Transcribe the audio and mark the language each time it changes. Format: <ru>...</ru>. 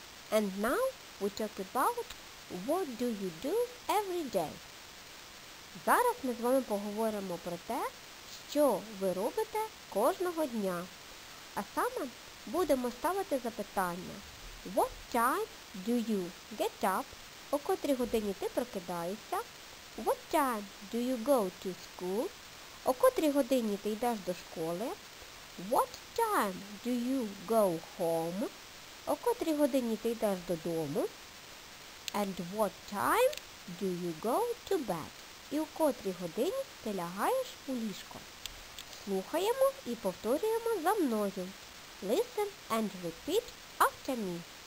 <en>And now we talk about what do you do every day.</en> <uk>Зараз ми з вами поговоримо про те, що ви робите кожного дня. А саме будемо ставити запитання.</uk> <en>What time do you get up?</en> <uk>О котрій годині ти прокидаєшся?</uk> <en>What time do you go to school?</en> <uk>О котрій годині ти йдеш до школи?</uk> <en>What time do you go home?</en> <uk>О котрій годині ти йдеш додому?</uk> <en>And what time do you go to bed?</en> <uk>І о котрій годині ти лягаєш у ліжко? Слухаємо і повторюємо за мною.</uk> <en>Listen and repeat after me.</en>